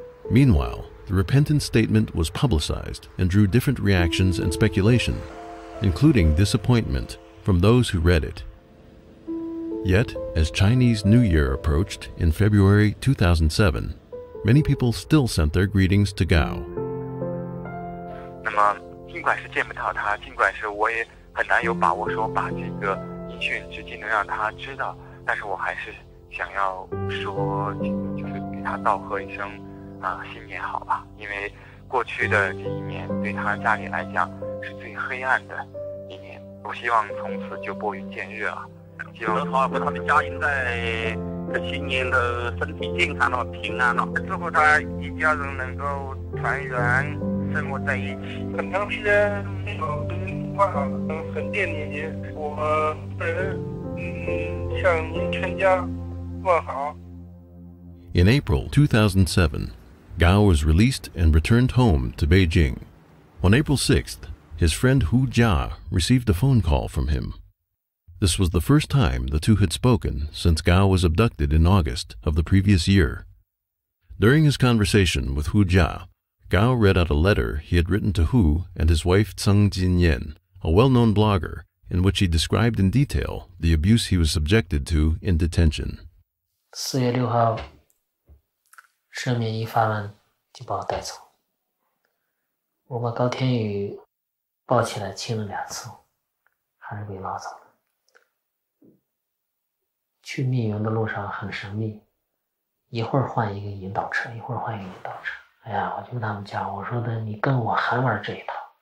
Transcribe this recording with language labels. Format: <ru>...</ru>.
<en>Meanwhile, the repentance statement was publicized and drew different reactions and speculation. Including disappointment from those who read it. Yet, as Chinese New Year approached in February 2007, many people still sent their greetings to Gao.</en> <zh>那么，尽管是见不到他，尽管是我也很难有把握说把这个音讯至今能让他知道，但是我还是想要说，就是给他道贺一声啊，新年好吧，因为。过去的这一年对他家里来讲是最黑暗的一年，我希望从此就拨云见日了。希望他和他的家人在这新年的身体健康了，平安了，祝福他一家人能够团圆生活在一起。很长时间没有跟你说话了，很惦念你，我本人向您全家问好。</zh> <en>In April 2007,Gao was released and returned home to Beijing. On April 6th, his friend Hu Jia received a phone call from him. This was the first time the two had spoken since Gao was abducted in August of the previous year. During his conversation with Hu Jia, Gao read out a letter he had written to Hu and his wife Zeng Jinyan, a well-known blogger, in which he described in detail the abuse he was subjected to in detention.</en> <zh>4月6号, 去密云的路上很神秘，一会儿换一个引导车，一会儿换一个引导车。哎呀，我就跟他们讲，我说的你跟我喊玩这一套，</zh>